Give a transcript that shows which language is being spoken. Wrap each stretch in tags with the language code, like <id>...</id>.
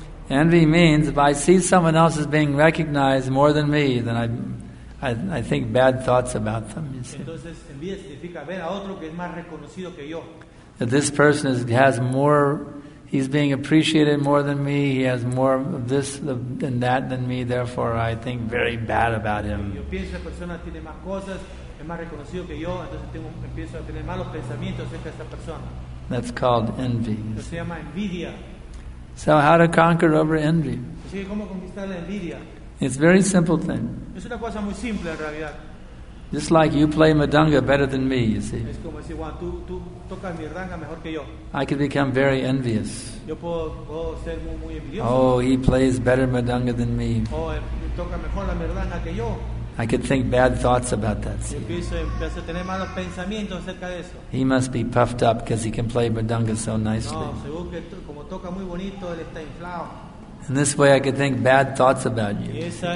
<en>Envy means if I see someone else as being recognized more than me, then I think bad thoughts about them. You see.</en> <es>Entonces, envidia significa ver a otro que es más reconocido que yo.</es> <en>That this person has more, he's being appreciated more than me, he has more of this than that than me, therefore I think very bad about him.</en> <es>Yo pienso que esa persona tiene más cosas, es más reconocido que yo, entonces empiezo a tener malos pensamientos acerca de esa persona.</es> <en>That's called envy.</en> <es>Eso se llama envidia.</es> <en>So how to conquer over envy?</en> <es>Así que cómo conquistar la envidia.</es> <en>It's a very simple thing.</en> <es>Es una cosa muy simple, en realidad.</es> <en>Just like you play madanga better than me, you see.</en> <es>Es como decir, Juan, tú tocas madanga mejor que yo.</es> <en>I can become very envious.</en> <es>Yo puedo ser muy envidioso.</es> <en>Oh, he plays better madanga than me.</en> <es>Oh, toca mejor la madanga que yo.</es> <en>I could think bad thoughts about that.</en> <es>Empiezo a tener malos pensamientos acerca de eso.</es> <en>He must be puffed up because he can play madanga so nicely.</en> <es>No, seguro que como toca muy bonito, él está inflado.</es> <en>In this way, I could think bad thoughts about you.</en>